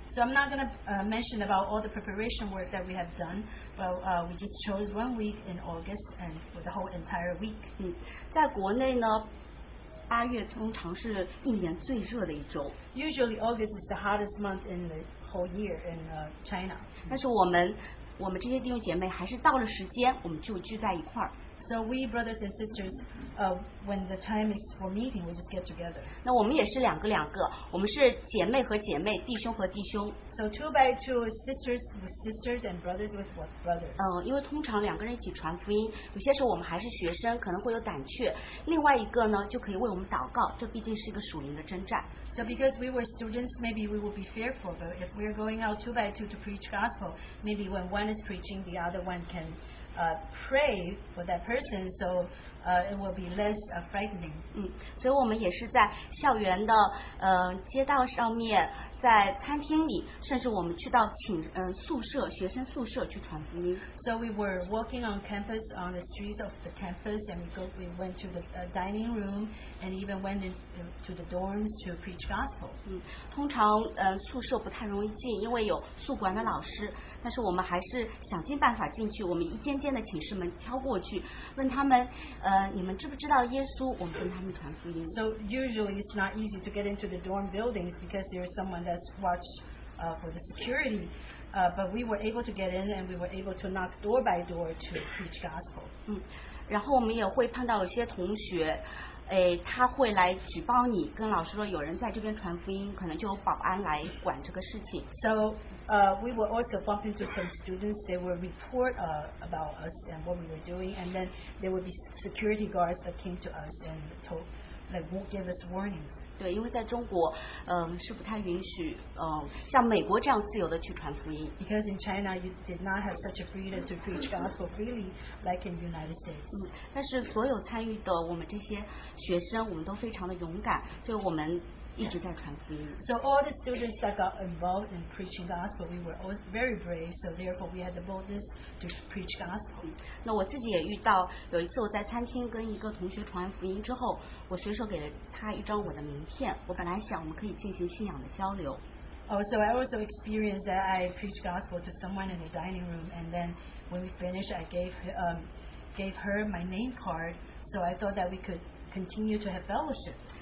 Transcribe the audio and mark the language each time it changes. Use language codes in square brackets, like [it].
[en] So I'm not going to mention about all the preparation work that we have done, but we just chose 1 week in August and for the whole entire week. [zh] 在国内呢，八月通常是一年最热的一周。 [en] Usually August is the hottest month in the whole year in China. [zh] 但是我们这些弟兄姐妹还是到了时间，我们就聚在一块儿。 [en] So we brothers and sisters, when the time is for meeting, we just get together. [zh] 那我们也是两个两个，我们是姐妹和姐妹，弟兄和弟兄。 [en] So two by two, sisters with sisters and brothers with brothers. [zh] 因为通常两个人一起传福音，有些时候我们还是学生，可能会有胆怯。另外一个呢，就可以为我们祷告，这毕竟是一个属灵的征战。 [en] So because we were students, maybe we would be fearful, but if we are going out two by two to preach gospel, maybe when one is preaching, the other one can pray for that person, so it will be less frightening. [zh] 所以我们也是在校园的街道上面，在餐厅里，甚至我们去到宿舍，学生宿舍去传福音。 [en] So we were walking on campus, on the streets of the campus, and we went to the dining room, and even went into the dorms to preach gospel. [zh] 通常宿舍不太容易进，因为有宿管的老师，但是我们还是想尽办法进去，我们一间间的寝室门敲过去，问他们 [en] So usually it's not easy to get into the dorm buildings because there's someone that's watched for the security. But we were able to get in and we were able to knock door by door to preach gospel. [zh] 然后我们也会碰到有些同学 他会来举报你, 跟老师说有人在这边传福音, 可能就有保安来管这个事情。 [en] So we were also bump into some students. They would report about us and what we were doing, and then there would be security guards that came to us and told, like, won't give us warnings. [zh] 对, 因为在中国, 是不太允许, 像美国这样自由地去传福音。 [en] Because in China, you did not have such a freedom to preach gospel freely like in the United States. [zh] 但是所有参与的, 我们这些学生, 我们都非常的勇敢, 所以我们一直在传福音。 [en] So all the students that got involved in preaching gospel, we were always very brave, so therefore we had the boldness to preach gospel. [zh] 那我自己也遇到, 有一次我在餐厅跟一个同学传福音之后, 我随手给了他一张我的名片, 我本来想我们可以进行信仰的交流。 [en] Oh, so I also experienced that I preached gospel to someone in the dining room, and then when we finished, I gave her my name card, so I thought that we could continue to have fellowship.